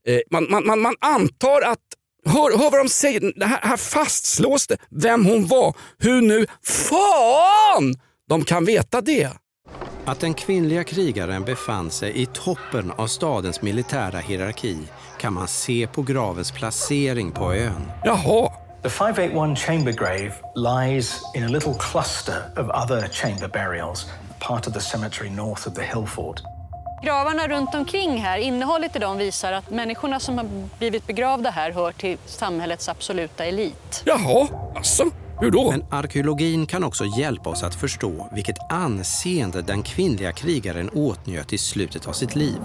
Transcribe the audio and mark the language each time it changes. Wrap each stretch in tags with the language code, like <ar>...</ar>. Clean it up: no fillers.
<sv>Man antar att, hör vad de säger, här fastslås det vem hon var. Hur nu, fan, de kan veta det. Att den kvinnliga krigaren befann sig i toppen av stadens militära hierarki kan man se på gravens placering på ön. Jaha.</sv> <en>The 581 chamber grave lies in a little cluster of other chamber burials, part of the cemetery north of the hill fort.</en> <sv>Gravarna runt omkring här, innehållet i dem visar att människorna som har blivit begravda här hör till samhällets absoluta elit. Jaha. Alltså. Hur då? Men arkeologin kan också hjälpa oss att förstå vilket anseende den kvinnliga krigaren åtnjöt i slutet av sitt liv.</sv>